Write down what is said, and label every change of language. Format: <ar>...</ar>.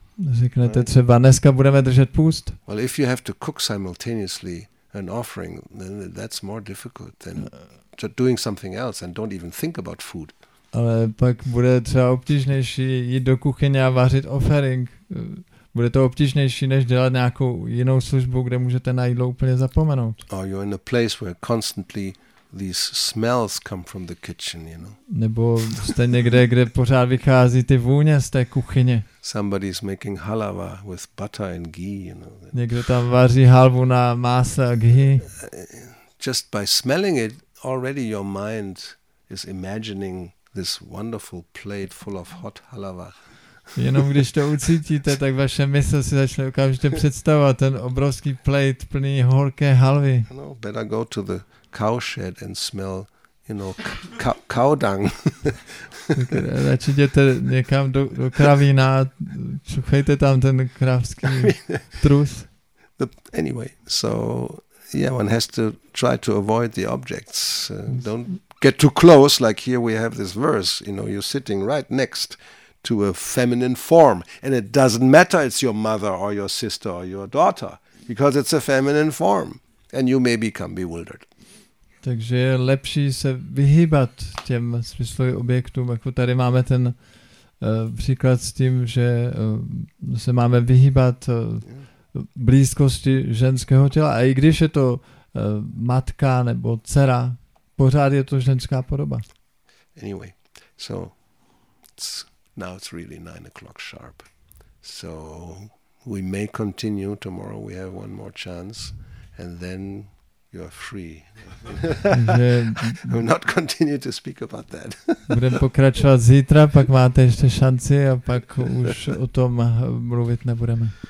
<cs>Řeknete třeba, dneska budeme držet půst.</cs> <en>Well, if you have to cook simultaneously an offering, then that's more difficult than doing something else and don't even think about food.</en> <cs>Ale pak bude třeba obtížnější jít do kuchyně a vařit offering. Bude to obtížnější, než dělat nějakou jinou službu, kde můžete na jídlo úplně zapomenout.</cs> <en>Or you're in a place where constantly these smells come from the kitchen, you know.</en> <cs>Nebo jste někde, kde pořád vychází ty vůně z té kuchyně.</cs> <en>Somebody's making halava with butter and ghee, you know.</en> <cs>Někdo tam vaří halvu na másle a ghee.</cs> <en>Just by smelling it, already your mind is imagining this wonderful plate full of hot halava.</en> <cs>Jenom když to ucítíte, tak vaše mysl si začne okamžitě představovat ten obrovský plate plný horké halvy.</cs> <en>No, better go to the cow shed and smell, you know, cow dung.</en> <cs>Radši jděte někam do kravína, čuchejte tam ten kravský trus.</cs> <en>Anyway, so yeah, one has to try to avoid the objects. Don't get too close, like here we have this verse, you know, you're sitting right next to a feminine form, and it doesn't matter it's your mother or your sister or your daughter, because it's a feminine form, and you may become bewildered.</en> <cs>Takže je lepší se vyhýbat těm smyslovým objektům, jako tady máme ten příklad s tím, že se máme vyhýbat blízkosti ženského těla, a i když je to matka nebo dcera, pořád je to ženská podoba.</cs> <en>Anyway, so now it's really 9 o'clock sharp. So we may continue tomorrow. We have one more chance, and then you are free. I'm not continue to speak about that.</en> <cs>Budeme pokračovat zítra, pak máte ještě šanci a pak už o tom mluvit nebudeme.</cs>